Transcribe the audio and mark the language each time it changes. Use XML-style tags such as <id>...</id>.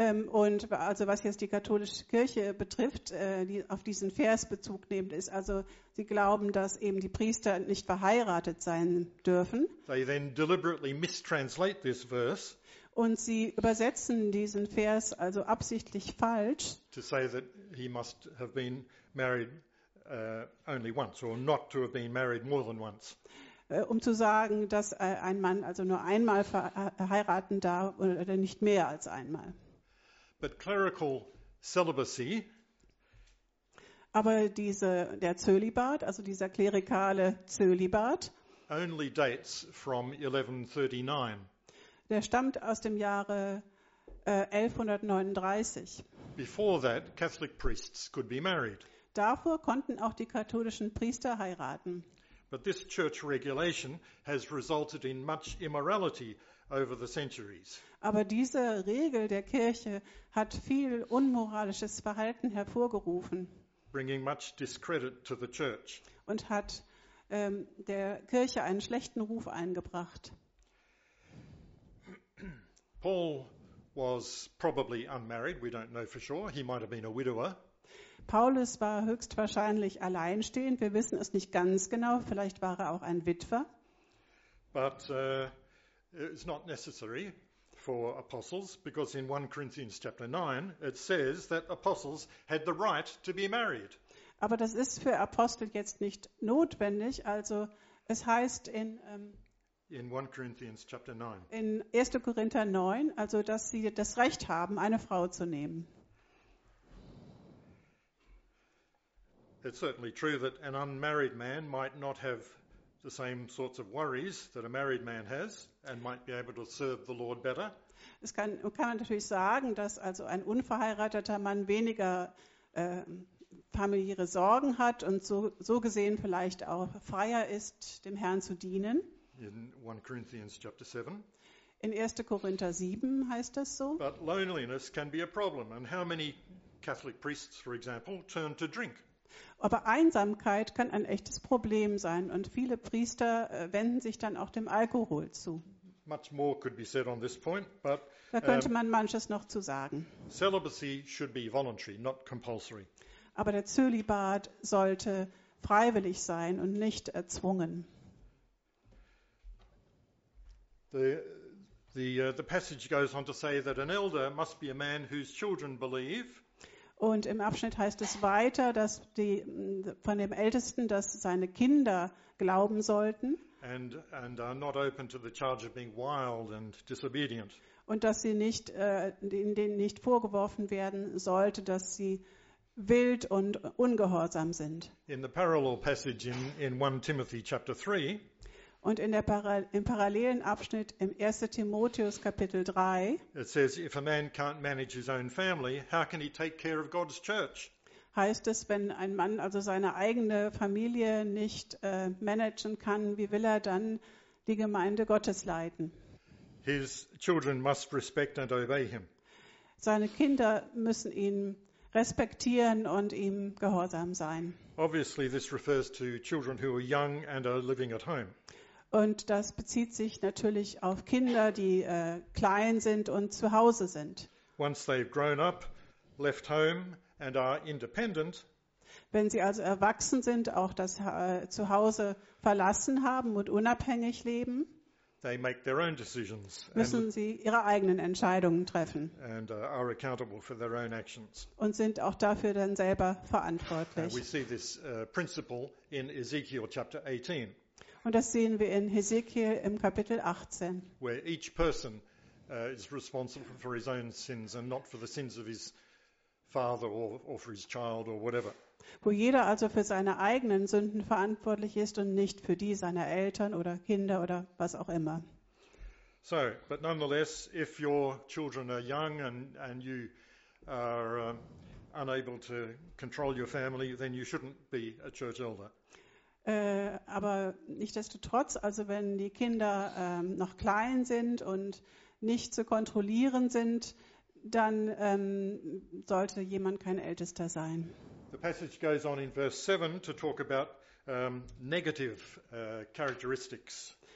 <de>Und also was jetzt die katholische Kirche betrifft, die auf diesen Vers Bezug nimmt, ist also, sie glauben, dass eben die Priester nicht verheiratet sein dürfen.</de> <en>They then deliberately mistranslate this verse.</en> <de>Und sie übersetzen diesen Vers also absichtlich falsch.</de> <en>To say that he must have been married only once, or not to have been married more than once.</en> <de>Um zu sagen, dass ein Mann also nur einmal heiraten darf oder nicht mehr als einmal.</de> <en>But clerical celibacy,</en> <de>aber der Zölibat, also dieser klerikale Zölibat,</de> <en>only dates from 1139.</en> <de>Der stammt aus dem Jahre 1139.</de> <en>Before that, Catholic priests could be married.</en> <de>Davor konnten auch die katholischen Priester heiraten.</de> <en>But this church regulation has resulted in much immorality over the centuries.</en> <de>Aber diese Regel der Kirche hat viel unmoralisches Verhalten hervorgerufen.</de> <en>Bringing much discredit to the church.</en> <de>Und hat der Kirche einen schlechten Ruf eingebracht.</de> <en>Paul was probably unmarried, we don't know for sure. He might have been a widower.</en> <de>Paulus war höchstwahrscheinlich alleinstehend. Wir wissen es nicht ganz genau. Vielleicht war er auch ein Witwer.</de> <en>But it's not necessary for apostles, because in 1 Corinthians chapter 9 it says that apostles had the right to be married.</en> <de>Aber das ist für Apostel jetzt nicht notwendig. Also es heißt</de> <en>in 1 Corinthians chapter 9.</en> <de>In 1. Korinther 9, also dass sie das Recht haben, eine Frau zu nehmen.</de> <en>It's certainly true that an unmarried man might not have the same sorts of worries that a married man has and might be able to serve the Lord better.</en> <de>Es kann man natürlich sagen, dass also ein unverheirateter Mann weniger familiäre Sorgen hat und so gesehen vielleicht auch freier ist, dem Herrn zu dienen.</de> <en>In 1 Corinthians chapter 7.</en> <de>In 1. Korinther 7 heißt das so.</de> <en>But loneliness can be a problem, and how many Catholic priests, for example, turn to drink?</en> <de>Aber Einsamkeit kann ein echtes Problem sein und viele Priester wenden sich dann auch dem Alkohol zu.</de> <en>Much more could be said on this point, but,</en> <de>da könnte man manches noch zu sagen.</de> <en>Celibacy should be voluntary, not compulsory.</en> <de>Aber der Zölibat sollte freiwillig sein und nicht erzwungen.</de> <en>The passage goes on to say that an elder must be a man whose children believe.</en> <de>Und im Abschnitt heißt es weiter, dass die von dem Ältesten, dass seine Kinder glauben sollten.</de> <en>And are not open to the charge of being wild and disobedient.</en> <de>Und dass sie nicht denen nicht vorgeworfen werden sollte, dass sie wild und ungehorsam sind.</de> <en>In the parallel passage in 1 Timothy chapter 3.</en> <de>Und in der im parallelen Abschnitt im 1. Timotheus Kapitel 3.</de> <en>It says, if a man can't manage his own family, how can he take care of God's church?</en> <de>Heißt es, wenn ein Mann also seine eigene Familie nicht managen kann, wie will er dann die Gemeinde Gottes leiten?</de> <en>His children must respect and obey him.</en> <de>Seine Kinder müssen ihn respektieren und ihm gehorsam sein.</de> <en>Obviously this refers to children who are young and are living at home.</en> <de>Und das bezieht sich natürlich auf Kinder, die klein sind und zu Hause sind.</de> <en>Once they've grown up, left home and are independent.</en> <de>Wenn sie also erwachsen sind, auch das Zuhause verlassen haben und unabhängig leben,</de> <en>they make their own decisions,</en> <de>müssen sie ihre eigenen Entscheidungen treffen</de> <en>and are accountable for their own actions.</en> <de>Und sind auch dafür dann selber verantwortlich.</de> <en>We see this principle in Ezekiel chapter 18.</en> <de>Und das sehen wir in Hesekiel im Kapitel 18.</de> <en>Where each person is responsible for his own sins and not for the sins of his father or for his child or whatever.</en> <de>Wo jeder also für seine eigenen Sünden verantwortlich ist und nicht für die seiner Eltern oder Kinder oder was auch immer.</de> <en>So, but nonetheless, if your children are young and you are unable to control your family, then you shouldn't be a church elder.</en> <de>Aber nichtsdestotrotz, also wenn die Kinder noch klein sind und nicht zu kontrollieren sind, dann sollte jemand kein Ältester sein.</de> <en>The passage goes on in verse 7 to talk about negative characteristics.</en>